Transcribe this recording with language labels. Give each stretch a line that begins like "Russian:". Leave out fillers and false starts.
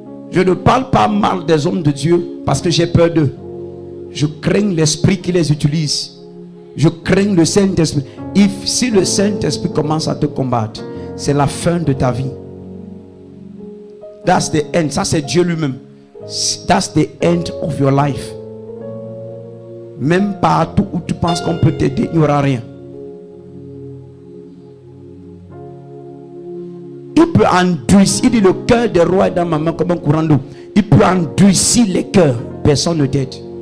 French: Je ne parle pas mal des hommes de Dieu parce que j'ai peur d'eux. Je crains l'esprit qui les utilise. Je crains le Saint-Esprit. Et si le Saint-Esprit commence à te combattre, c'est la fin de ta vie.
English: That's the end.
French: Ça, c'est Dieu lui-même.
English: That's the end of your life.
French: Même partout où tu penses qu'on peut t'aider, il n'y aura rien. Il peut endurcir. Il dit le cœur des rois est dans ma main comme un courant d'eau. Il peut endurcir les cœurs. Personne ne t'aide.